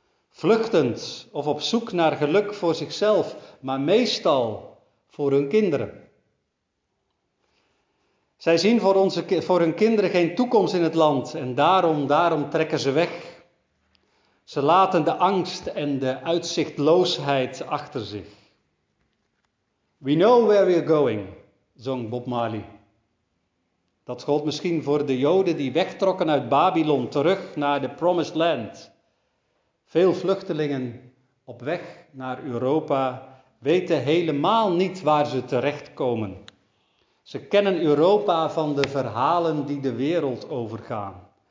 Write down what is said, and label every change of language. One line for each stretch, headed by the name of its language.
Dutch: Vluchtend of op zoek naar geluk voor zichzelf, maar meestal voor hun kinderen. Zij zien voor hun kinderen geen toekomst in het land en daarom trekken ze weg. Ze laten de angst en de uitzichtloosheid achter zich.
English: We know where we are going,
Dutch: zong
English: Bob Marley.
Dutch: Dat gold misschien voor de Joden die wegtrokken uit Babylon terug naar de Promised Land. Veel vluchtelingen op weg naar Europa weten helemaal niet waar ze terechtkomen. Ze kennen Europa van de verhalen die de wereld overgaan.